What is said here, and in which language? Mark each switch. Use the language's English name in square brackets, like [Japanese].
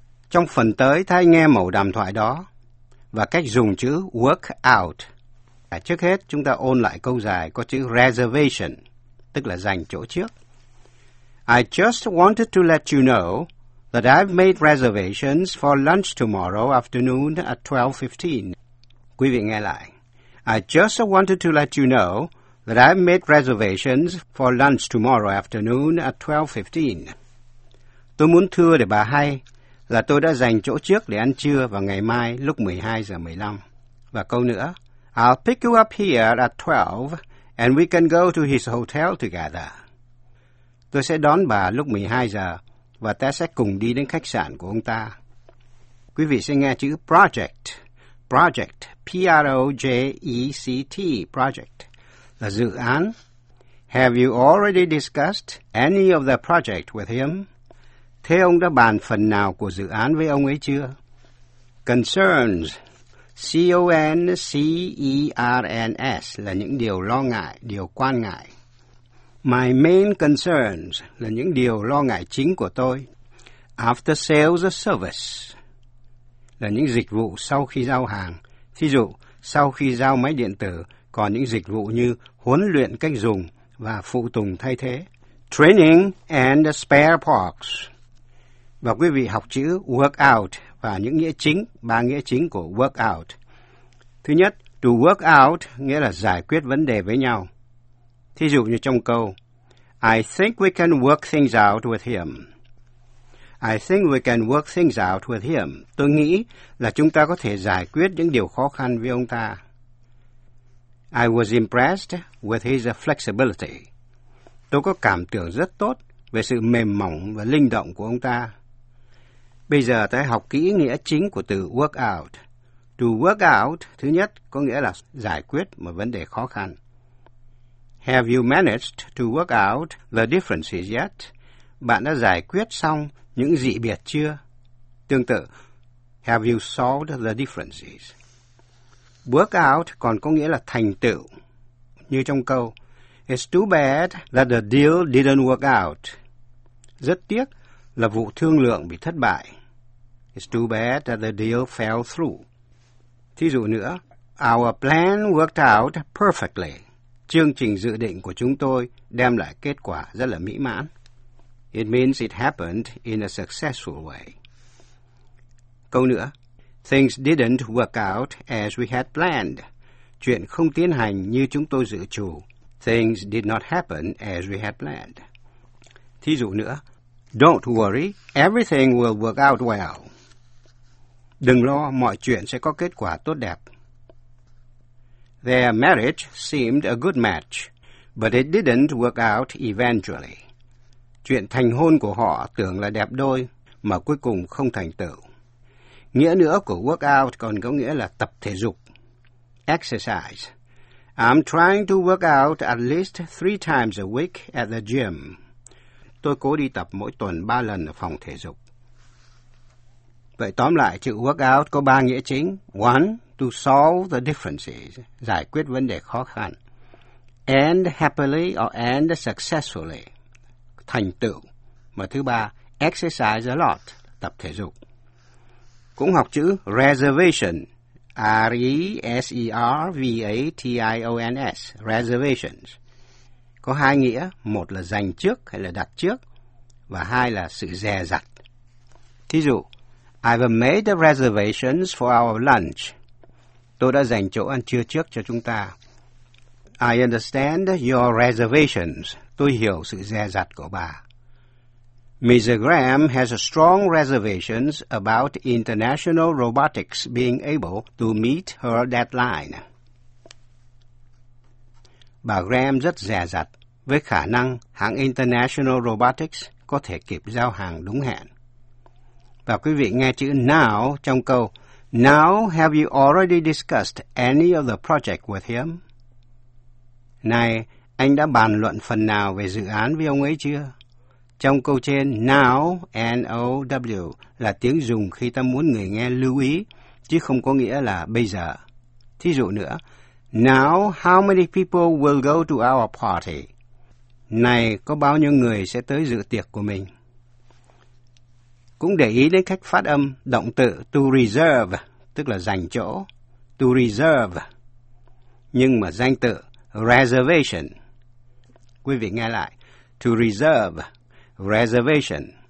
[Vietnamese] Trong phần tới, ta hãy nghe mẫu đàm thoại đó và cách dùng chữ work out. Trước hết, chúng ta ôn lại câu dài có chữ reservation, tức là dành chỗ trước. [English] I just wanted to let you know that I've made reservations for lunch tomorrow afternoon at 12:15. [Vietnamese] Quý vị nghe lại. [English] I just wanted to let you know that I've made reservations for lunch tomorrow afternoon at 12:15. [Vietnamese] Tôi muốn thưa để bà hay là tôi đã dành chỗ trước để ăn trưa vào ngày mai lúc 12:15. Và câu nữa, [English] I'll pick you up here at 12 and we can go to his hotel together. [Vietnamese] Tôi sẽ đón bà lúc 12 giờ và ta sẽ cùng đi đến khách sạn của ông ta. Quý vị sẽ nghe chữ project. Project, P-R-O-J-E-C-T, project, là dự án. [English] Have you already discussed any of the project with him? [Vietnamese] Thế ông đã bàn phần nào của dự án với ông ấy chưa? Concerns, C-O-N-C-E-R-N-S, là những điều lo ngại, điều quan ngại. [English] My main concerns, [Vietnamese] là những điều lo ngại chính của tôi. [English] After sales service, [Vietnamese] là những dịch vụ sau khi giao hàng. Thí dụ, sau khi giao máy điện tử, còn những dịch vụ như huấn luyện cách dùng và phụ tùng thay thế. [English] Training and spare parts. [Vietnamese] và quý vị học chữ work out và những nghĩa chính, ba nghĩa chính của work out. Thứ nhất, to work out nghĩa là giải quyết vấn đề với nhau. Thí dụ như trong câu, [English] I think we can work things out with him. I think we can work things out with him. [Vietnamese] Tôi nghĩ là chúng ta có thể giải quyết những điều khó khăn với ông ta. [English] I was impressed with his flexibility. [Vietnamese] Tôi có cảm tưởng rất tốt về sự mềm mỏng và linh động của ông ta. Bây giờ ta hãy học kỹ nghĩa chính của từ work out. To work out, thứ nhất, có nghĩa là giải quyết một vấn đề khó khăn. [English] Have you managed to work out the differences yet? [Vietnamese] Bạn đã giải quyết xong những dị biệt chưa? Tương tự, [English] have you solved the differences? [Vietnamese] Work out còn có nghĩa là thành tựu. Như trong câu, [English] it's too bad that the deal didn't work out. [Vietnamese] Rất tiếc là vụ thương lượng bị thất bại. [English] It's too bad that the deal fell through. [Vietnamese] Thí dụ nữa, [English] our plan worked out perfectly. [Vietnamese] Chương trình dự định của chúng tôi đem lại kết quả rất là mỹ mãn. [English] It means it happened in a successful way. [Vietnamese] Câu nữa, [English] things didn't work out as we had planned. [Vietnamese] Chuyện không tiến hành như chúng tôi dự trù. [English] Things did not happen as we had planned. [Vietnamese] Thí dụ nữa, [English] don't worry, everything will work out well. [Vietnamese] Đừng lo, mọi chuyện sẽ có kết quả tốt đẹp. [English] Their marriage seemed a good match, but it didn't work out eventually. [Vietnamese] Chuyện thành hôn của họ tưởng là đẹp đôi, mà cuối cùng không thành tựu. Nghĩa nữa của work out còn có nghĩa là tập thể dục. [English] Exercise. I'm trying to work out at least 3 times a week at the gym. [Vietnamese] Tôi cố đi tập mỗi tuần 3 lần ở phòng thể dục. Vậy tóm lại, chữ work out có 3 nghĩa chính. 1. [English] To solve the differences, [Vietnamese] giải quyết vấn đề khó khăn. [English] End happily or end successfully, [Vietnamese] thành tựu. Và thứ 3, [English] exercise a lot, [Vietnamese] tập thể dục. Cũng học chữ reservation, R-E-S-E-R-V-A-T-I-O-N-S, reservations. Có 2 nghĩa, 1 là dành trước hay là đặt trước, và 2 là sự dè dặt. Thí dụ, [English] I've made the reservations for our lunch. [Vietnamese] Tôi đã dành chỗ ăn trưa trước cho chúng ta. [English] I understand your reservations. [Vietnamese] Tôi hiểu sự dè dặt của bà. Mrs. [English] Graham has strong reservations about International Robotics being able to meet her deadline. [Vietnamese] Bà Graham rất dè dặt với khả năng hãng International Robotics có thể kịp giao hàng đúng hẹn. Và quý vị nghe chữ now trong câu, [English] now have you already discussed any of the project with him? [Vietnamese] Này, anh đã bàn luận phần nào về dự án với ông ấy chưa? Trong câu trên, now, N-O-W, là tiếng dùng khi ta muốn người nghe lưu ý, chứ không có nghĩa là bây giờ. Thí dụ nữa, [English] now how many people will go to our party? [Vietnamese] Này, có bao nhiêu người sẽ tới dự tiệc của mình? Cũng để ý đến cách phát âm động từ to reserve, tức là dành chỗ, to reserve, nhưng mà danh từ reservation. Quý vị nghe lại, to reserve, reservation.